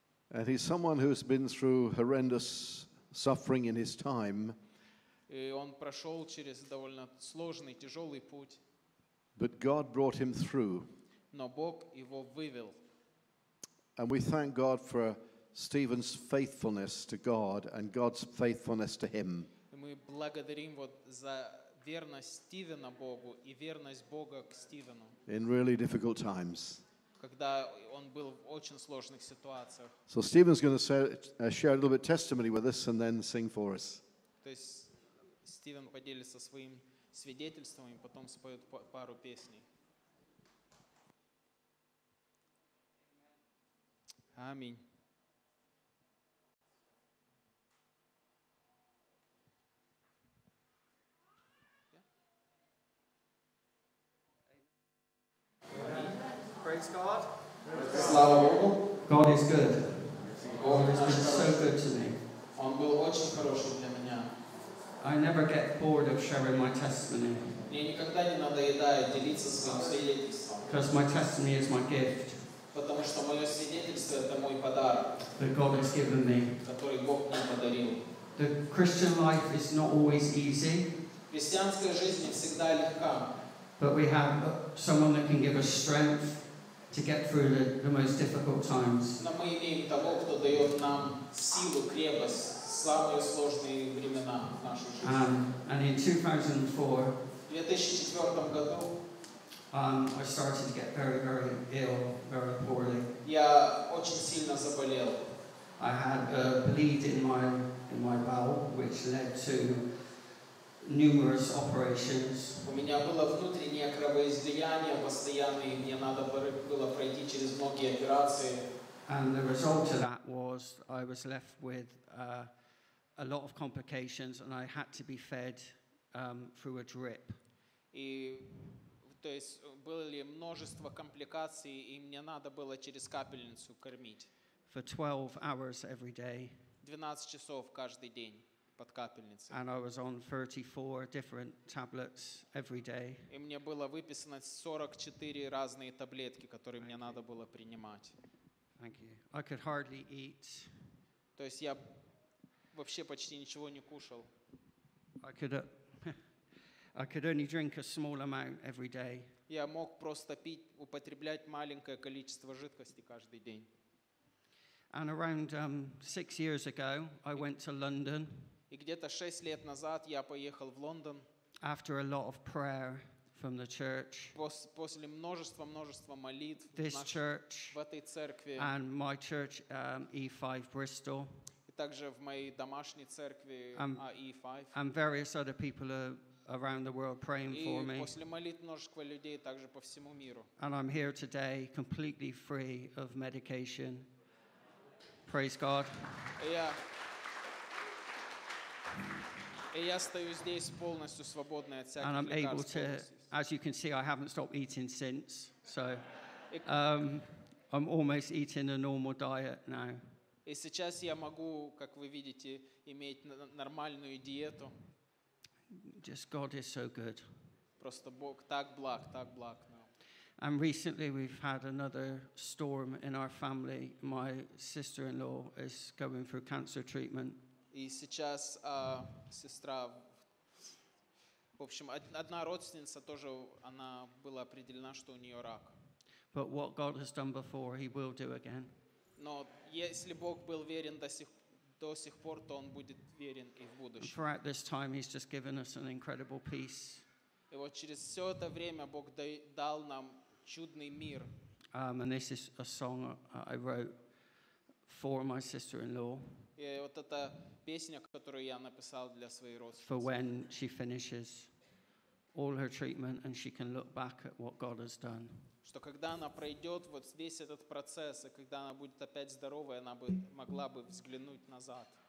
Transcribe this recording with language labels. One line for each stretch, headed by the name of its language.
English: And he's someone who's been through horrendous suffering in his time.
Russian: И он прошел через довольно сложный, тяжелый путь.
English: But God brought him through.
Russian: Но Бог его вывел.
English: And we thank God for Stephen's faithfulness to God and God's faithfulness to him.
Russian: Мы благодарим вот за верность Стивена Богу и верность Бога к Стивену.
English: In really difficult times.
Russian: Когда он был в очень сложных ситуациях.
English: So Stephen's going to share a little bit of testimony with us and then sing for us.
Russian: То есть Стивен поделится своим свидетельством и потом споет пару песней. Аминь.
English: Praise God.
Russian: Слава Богу.
English: God is good. God has been so good to me.
Russian: Он был очень хорошим для меня.
English: I never get bored of sharing my testimony.
Russian: Мне никогда не надоедает делиться своим свидетельством.
English: Because my testimony is my gift.
Russian: Потому что мое свидетельство это мой подарок.
English: That God has given me.
Russian: Который Бог мне подарил.
English: The Christian life is not always easy.
Russian: Христианская жизнь не всегда легка.
English: But we have someone that can give us strength to get through the most difficult times.
Russian: Но мы имеем того, кто дает нам силу, крепость, самые сложные времена в нашей жизни.
English: And in
Russian: 2004 году,
English: I started to get very, very ill, very poorly.
Russian: Я очень сильно заболел.
English: I had a bleed in my bowel, which led to numerous operations.
Russian: У меня было внутреннее кровоизлияние постоянное, мне надо было пройти через многие операции.
English: And the result of that was I was left with a lot of complications, and I had to be fed through a drip.
Russian: И то есть были множество компликаций, и мне надо было через капельницу кормить.
English: For 12 hours every day.
Russian: 12 часов каждый день. Под капельницей.
English: And I was on 34 different tablets every day.
Russian: И мне было выписано 44 разные таблетки, которые мне надо было принимать.
English: Thank you. I could hardly eat.
Russian: То есть я вообще почти ничего не кушал.
English: I could only drink a small amount every day.
Russian: Я мог просто пить, употреблять маленькое количество жидкости каждый день.
English: And around 6 years ago, I went to London.
Russian: И где-то 6 лет назад я поехал в Лондон.
English: After a lot of prayer from the church.
Russian: После множества молитв в этой церкви.
English: And my church, E5 Bristol.
Russian: И также в моей домашней церкви, E5.
English: And various other people around the world praying for me.
Russian: И после молитв множества людей также по всему миру.
English: And I'm here today, completely free of medication. Praise God. Yeah.
Russian: И я стою здесь полностью свободный от всяких лекарств.
English: To, as you can see, I haven't stopped eating since. So I'm almost eating a normal diet now.
Russian: И сейчас я могу, как вы видите, иметь нормальную диету.
English: Just God is so good.
Russian: Просто Бог так благ, так благ.
English: And recently we've had another storm in our family. My sister-in-law is going through cancer treatment.
Russian: И сейчас сестра, в общем, одна родственница тоже, она была определена, что у нее рак.
English: But what God has done before, He will do again.
Russian: Но если Бог был верен до сих пор, то Он будет верен и в будущем.
English: Throughout this time, He's just given us an incredible peace.
Russian: И вот через все это время Бог дал нам чудный мир.
English: And this is a song I wrote for my sister-in-law.
Russian: И вот эта песня, которую я написал для своей родственницы.
English: For when she finishes all her treatment and she can look back at what God has done.
Russian: Что когда она пройдет вот весь этот процесс, и когда она будет опять здоровой, она могла бы взглянуть назад.